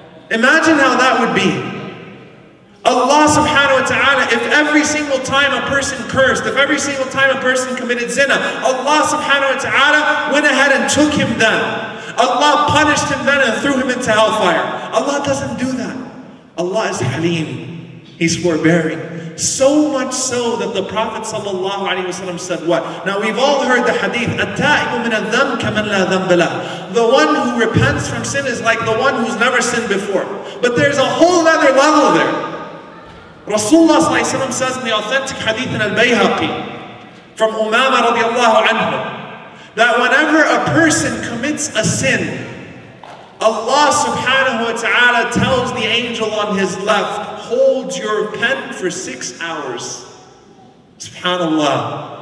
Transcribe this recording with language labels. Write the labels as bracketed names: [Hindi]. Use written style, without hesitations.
[English] Imagine how that would be. Allah subhanahu wa ta'ala, if every single time a person cursed, if every single time a person committed zina, Allah subhanahu wa ta'ala went ahead and took him then. Allah punished him then and threw him into hellfire. Allah doesn't do that. Allah is Halim. He's forbearing. So much so that the Prophet ﷺ said what? [Arabic] Now we've all heard the hadith, أَتَّائِبُ مِنَ الذَّنْ كَمَنْ لَا ذَنْبَ لَهُ. [English] The one who repents from sin is like the one who's never sinned before. But there's a whole other level there. Rasulullah ﷺ says in the authentic hadith in Al-Bayhaqi, from Umama radiallahu anhu, that whenever a person commits a sin, Allah subhanahu wa ta'ala tells the angel on his left, hold your pen for 6 hours. Subhanallah.